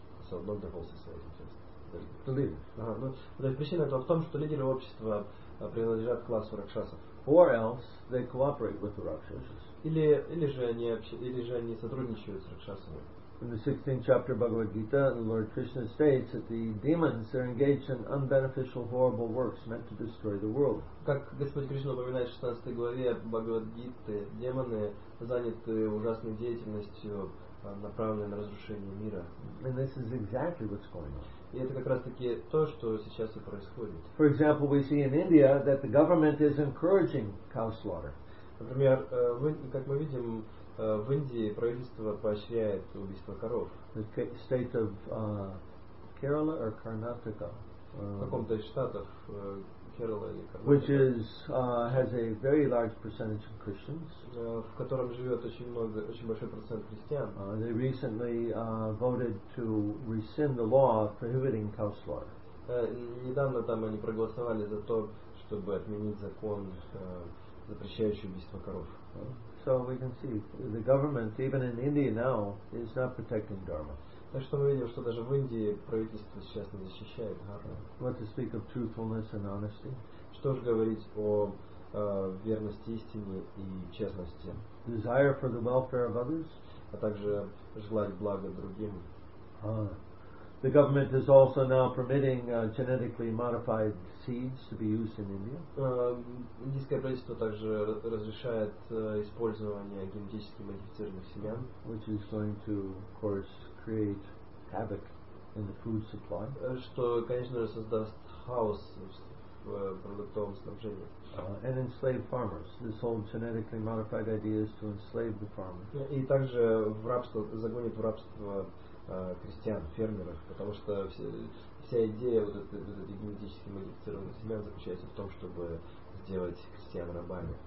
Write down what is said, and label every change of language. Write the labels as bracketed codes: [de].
[en] So not the whole society, just the leaders. [ru] The причина в том, что лидеры общества принадлежат классу Ракшасов. [en] Or else they cooperate with the Rakshasas. [ru] Или же они сотрудничают с Ракшасами. [en] In the 16th chapter of Bhagavad Gita, the Lord Krishna states that the demons are engaged in unbeneficial, horrible works meant to destroy the world. [ru] Как Господь Кришна упоминает в 16 главе Бхагавад Гиты, демоны заняты ужасной деятельностью, направленной на разрушение мира. [en] And this is exactly what's going on. [ru] И это как раз-таки то, что сейчас и происходит. [en] For example, we see in India that the government is encouraging cow slaughter. [ru] Например, как мы видим, в Индии правительство поощряет убийство коров. [en] The state of Kerala or Karnataka. [ru] В каком-то из штатов Kerala или Karnataka. [en] Which is has a very large percentage of Christians. [ru] В котором живет очень большой процент христиан. [en] They recently voted to rescind the law prohibiting cow slaughter. [ru] Недавно там они проголосовали за то, чтобы отменить закон, запрещающий убийство коров. [en] So we can see the government, even in India now, is not protecting dharma. [ru] Так что мы видим, что даже в Индии правительство сейчас не защищает дхарму. [en] What to speak of truthfulness and honesty? [ru] Что же говорить о верности истине и честности? [en] Desire for the welfare of others? [ru] А также желать блага другим. [en] The government is also now permitting genetically modified seeds to be used in India. [ru] Индийское правительство также разрешает использование генетически модифицированных семян, [en] which is going to, of course, create havoc in the food supply. [ru] Что, конечно же, создаст хаос в продуктовом снабжении. [en] And enslave farmers. This whole genetically modified idea is to enslave the farmers. [ru] И также в рабство загонит в рабство крестьян, фермеров, потому что вся идея вот этих генетически модифицированных семян заключается в том, чтобы сделать крестьян рабами.